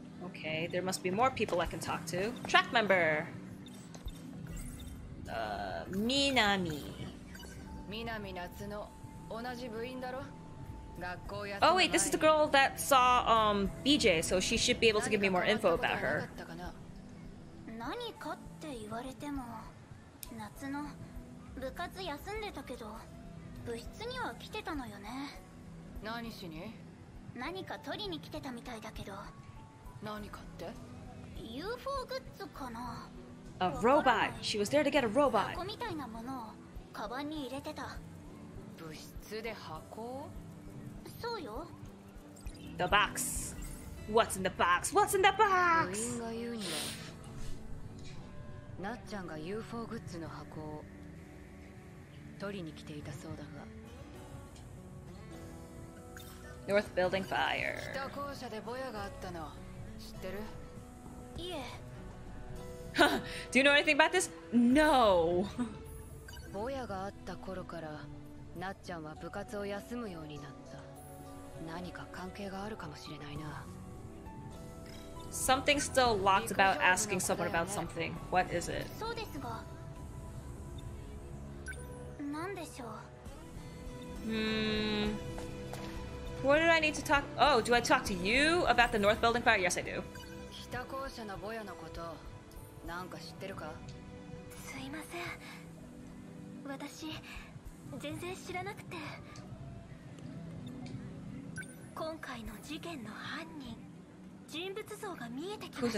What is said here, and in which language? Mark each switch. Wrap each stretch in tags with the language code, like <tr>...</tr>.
<en>Okay, there must be more people I can talk to. Track member. Minami.</en> <ja>Minami Natsuno. 同じ部員だろ。学校や。</ja> <en>Oh wait, this is the girl that saw BJ, so she should be able to give me more info about her.</en> <ja>何かって言われても、夏の部活休んでたけど、部室には来てたのよね。何しに？何か取りに来てたみたいだけど。何かって？UFO グッズかな。</ja> <en>A robot. She was there to get a robot.</en> <ja>箱みたいなものをカバンに入れてた。物質で箱？そうよ。</ja> <en>The box. What's in the box? What's in the box?</en> <ja>部員が言うにはなっちゃんが UFO グッズの箱を取りに来ていたそうだが。</ja> <en>North Building Fire.</en> <ja>北校舎でボヤがあったの知ってる？いえ。</ja> <en>Do you know anything about this? No.</en> <ja>ボヤがあった頃から。なっちゃんは部活を休むようになった。何か関係があるかもしれないな。</ja> <en>Something still locked about asking someone about something. What is it?</en> <ja>そうですが、なんでしょう。</ja> <en>What do I need to talk? Oh, do I talk to you about the North Building fire? Yes, I do.</en> <ja>北校舎のボヤのこと、なんか知ってるか？すいません。私。全然知らなくて。今回の事件の犯人、人物像が見えてきました。</ja>